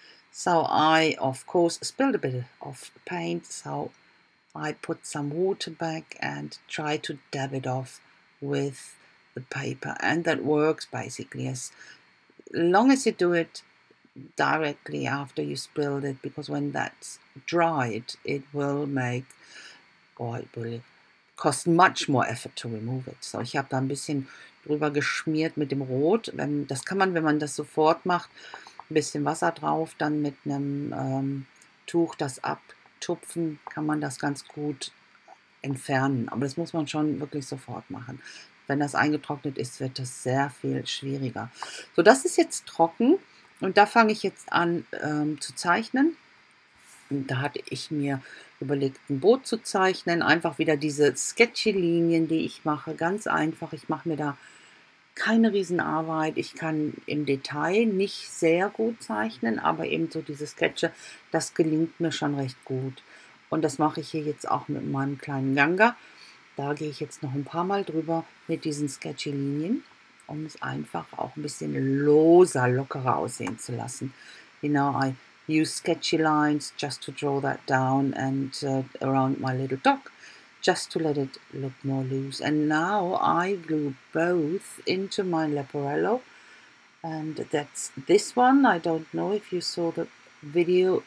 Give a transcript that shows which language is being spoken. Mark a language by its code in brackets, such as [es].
[en] So I, of course, spilled a bit of paint, so I put some water back and try to dab it off with the paper. And that works basically as long as you do it directly after you spilled it, because when that's dried, it will make, or it will cost much more effort to remove it. [de] So ich habe da ein bisschen drüber geschmiert mit dem Rot. Das kann man, wenn man das sofort macht, ein bisschen Wasser drauf, dann mit einem Tuch das ab. Tupfen kann man das ganz gut entfernen, aber das muss man schon wirklich sofort machen. Wenn das eingetrocknet ist, wird das sehr viel schwieriger. So, das ist jetzt trocken und da fange ich jetzt an zu zeichnen. Und da hatte ich mir überlegt, ein Boot zu zeichnen, einfach wieder diese sketchy Linien, die ich mache, ganz einfach. Ich mache mir da keine Riesenarbeit. Ich kann im Detail nicht sehr gut zeichnen, aber eben so diese Sketche, das gelingt mir schon recht gut. Und das mache ich hier jetzt auch mit meinem kleinen Ganga. Da gehe ich jetzt noch ein paar Mal drüber mit diesen sketchy Linien, um es einfach auch ein bisschen loser, lockerer aussehen zu lassen. [en] You know, I use sketchy lines just to draw that down and around my little dog. just to let it look more loose. And now I glue both into my Leporello, and that's this one. I don't know if you saw the video.